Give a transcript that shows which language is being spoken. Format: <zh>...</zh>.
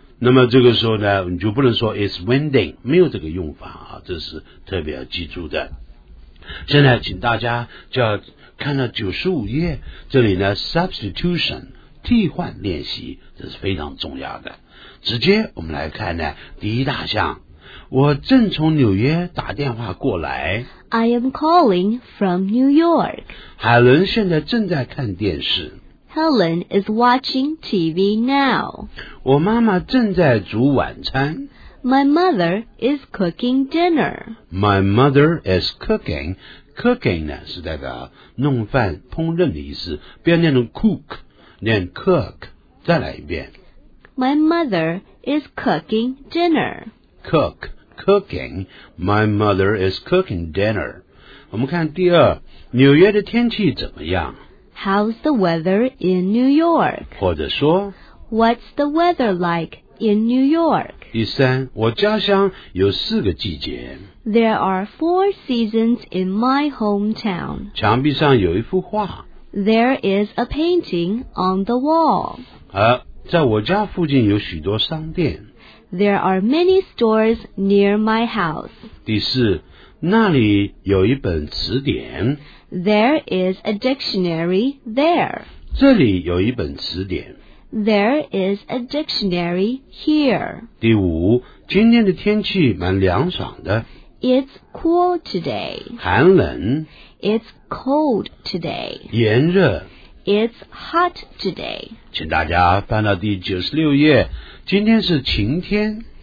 <zh>那么这个时候呢，你就不能说</zh> <en>It's windy</en> <zh>没有这个用法啊，这是特别要记住的。现在请大家就要看到95页，这里呢 substitution 替换练习，这是非常重要的。直接我们来看呢第一大项，我正从纽约打电话过来。</zh> <en>I am calling from New York.</en> <zh>海伦现在正在看电视。</zh> <en>Helen is watching TV now.</en> <zh>我妈妈正在煮晚餐。</zh> <en>My mother is cooking dinner. My mother is cooking.</en> <zh>Cooking 呢是代表弄饭烹饪的意思，不要念成 cook， 念 cook。再来一遍。</zh> <en>My mother is cooking dinner. Cook, cooking. My mother is cooking dinner.</en> <zh>我们看第二，纽约的天气怎么样？</zh> <en>How's the weather in New York?</en> <zh>或者说，</zh> <en>What's the weather like in New York?</en> <zh>第三，我家乡有四个季节。</zh> <en>There are four seasons in my hometown.</en> <zh>墙壁上有一幅画。</zh> <en>There is a painting on the wall.</en> <zh>在我家附近有许多商店。</zh> <en>There are many stores near my house.</en> <zh>第四，那里有一本词典。</zh> <en>There is a dictionary there.</en> <zh>这里有一本词典。</zh> <en>There is a dictionary here.</en> <zh>第五，今天的天气蛮凉爽的。</zh> <en>It's cool today.</en> <zh>寒冷。</zh> <en>It's cold today.</en> <zh>炎热。</zh> <en>It's hot today.</en> <zh>请大家翻到第96页，今天是晴天。</zh>